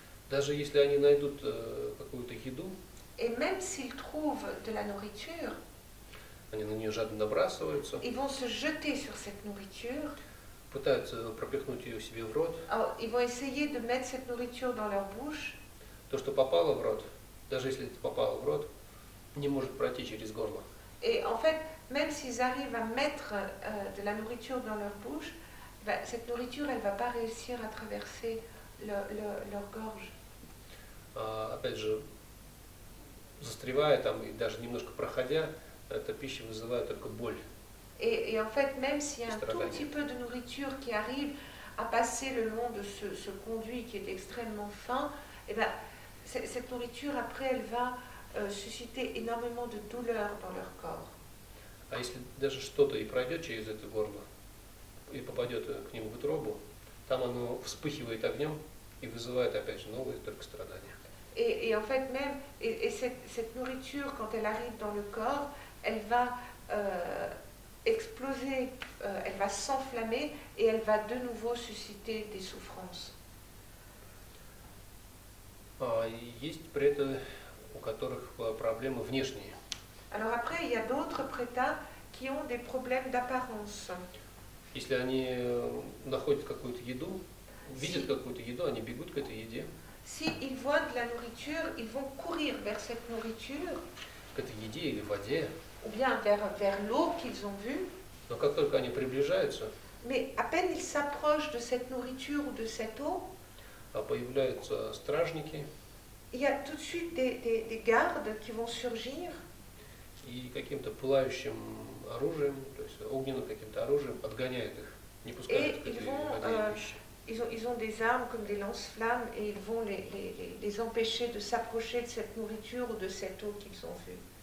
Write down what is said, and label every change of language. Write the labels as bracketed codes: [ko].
[ru] Даже если они найдут какую-то еду. [fr] Et même s'ils trouvent de la nourriture. [ru] Они на нее жадно набрасываются. [fr] Ils vont se jeter sur cette nourriture. [ru] Пытаются пропихнуть ее себе в рот. [fr] Ils vont essayer de mettre cette nourriture dans leur bouche. [ru] То, что попало в рот, даже если это попало в рот, не может пройти через горло. [fr] Et en fait, même s'ils arrivent à mettre de la nourriture dans leur bouche, cette nourriture, elle va pas réussir à traverser leur gorge. [ru] Опять же, застревая там и даже немножко проходя, эта пища вызывает только боль. [fr] Et en fait, même s'il y a un tout petit peu de nourriture qui arrive à passer le long de ce conduit qui est extrêmement fin, et ben cette nourriture après elle va susciter énormément de douleurs dans leur corps. [ru] А если даже что-то и пройдет через это горло и попадет к нему в утробу, там оно вспыхивает огнем и вызывает опять же новые только страдания. [fr] Et en fait même et cette nourriture quand elle arrive dans le corps elle va exploser, elle va s'enflammer et elle va de nouveau susciter des souffrances. [ru] Есть преты, у которых проблемы внешние. [fr] Alors après, il y a d'autres prêtas qui ont des problèmes d'apparence. [ru] Если они находят какую-то еду, видят какую-то еду, они бегут к этой еде. [fr] Si ils voient de la nourriture, ils vont courir vers cette nourriture. [ru] К этой еде или воде. [fr] Ou bien vers l'eau qu'ils ont vue. [ru] Но как только они приближаются, [fr] mais à peine ils s'approchent de cette nourriture ou de cette eau, [ru] появляются стражники, [fr] il y a tout de suite des gardes qui vont surgir, [ru] и каким-то пылающим оружием, то есть огненным каким-то оружием подгоняют их, не пускают их. [fr] Ils ont des armes comme des lance-flammes et ils vont les empêcher de s'approcher de cette nourriture ou de cette eau qu'ils ont vue.